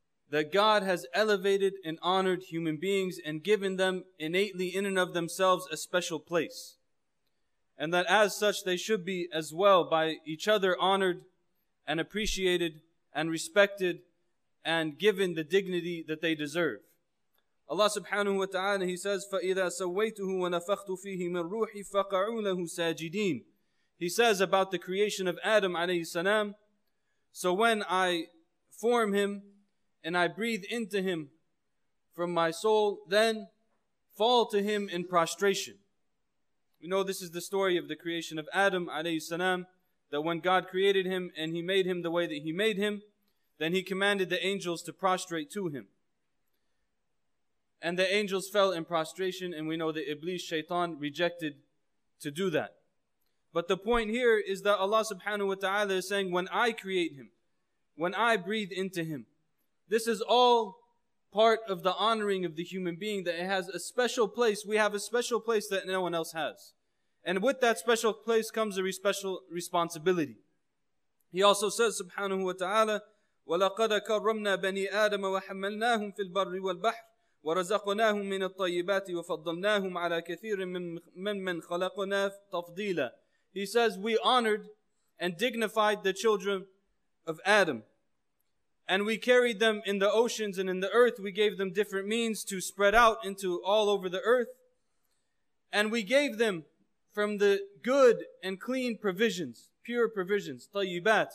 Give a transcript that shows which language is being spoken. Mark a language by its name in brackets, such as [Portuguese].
[English] That God has elevated and honored human beings and given them innately in and of themselves a special place. And that as such they should be as well by each other honored and appreciated and respected and given the dignity that they deserve. Allah subhanahu wa ta'ala, He says, [Arabic] فَإِذَا سَوَّيْتُهُ وَنَفَخْتُ فِيهِ مِنْ رُوحِ فَقَعُوا لَهُ سَاجِدِينَ. [English] He says about the creation of Adam alayhi salam, so when I form him and I breathe into him from my soul, then fall to him in prostration. We know this is the story of the creation of Adam alayhi salam, that when God created him and he made him the way that he made him, then he commanded the angels to prostrate to him. And the angels fell in prostration, and we know that Iblis, Shaitan, rejected to do that. But the point here is that Allah subhanahu wa ta'ala is saying, when I create him, when I breathe into him, this is all part of the honoring of the human being, that it has a special place. We have a special place that no one else has. And with that special place comes a special responsibility. He also says, subhanahu wa ta'ala, [Arabic] وَلَقَدْ كَرَّمْنَا بَنِي آدَمَ وَحَمَّلْنَاهُمْ فِي الْبَرِّ وَالْبَحْرِ وَرَزَقْنَاهُمْ مِنَ الطَّيِّبَاتِ وَفَضَّلْنَاهُمْ عَلَى كَثِيرٍ مِّمَّنْ خَلَقْنَا تَفْضِيلًا. [English] He says, we honored and dignified the children of Adam. And we carried them in the oceans and in the earth. We gave them different means to spread out into all over the earth. And we gave them from the good and clean provisions, pure provisions, طيبات.